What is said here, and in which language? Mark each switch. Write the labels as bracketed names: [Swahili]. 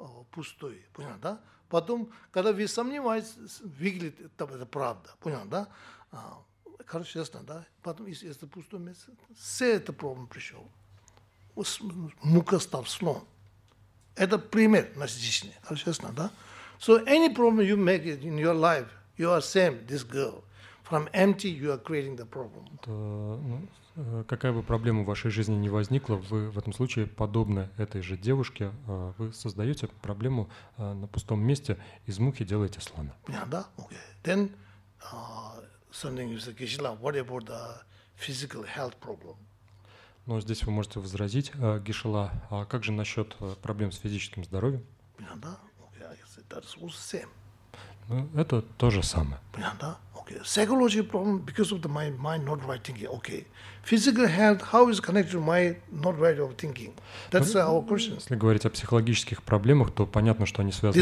[Russian] пустой, понял, да? Потом, когда вы сомневаетесь, выглядит это правда, понял, да? Короче, ясно, да? Потом, если это пустое место, все это проблем пришел. Мука стал сном. Это пример насыщенный, короче, ясно, да? [English] So any problem you make in your life, you are same, this girl. From empty, you are creating the problem. [Russian] Какая бы проблема в вашей жизни ни возникла, вы в этом случае подобны этой же девушке, вы создаете проблему на пустом месте, из мухи делаете слона. Понятно, да? [English] Okay. Then something is like, Гишила, what about the physical health problem? [Russian] Но здесь вы можете возразить, Гишила, а как же насчет проблем с физическим здоровьем? Понятно, да? [English] Okay, I said that's all the same. [Russian] Ну, это то же самое. Понятно, да? [English] Okay. Psychological problem because of the mind not right thinking. Okay. Physical health, how is connected to my not right of thinking? That's our question. [Russian] Если говорить о психологических проблемах, то понятно, что они связаны.